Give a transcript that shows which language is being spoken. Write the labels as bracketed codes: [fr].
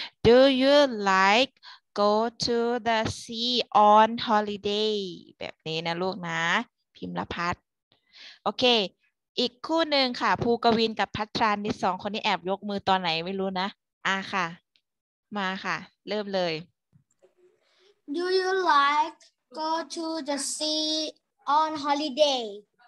[en] Do you like go to the sea on holiday? [th] แบบนี้นะลูกนะพิมพ์ละพัดโอเคอีกคู่หนึ่งค่ะภูกวินกับพัทรานี่สองคนนี้แอบยกมือตอนไหนไม่รู้นะค่ะมาค่ะเริ่มเลย [en] Do you like go to the sea on holiday?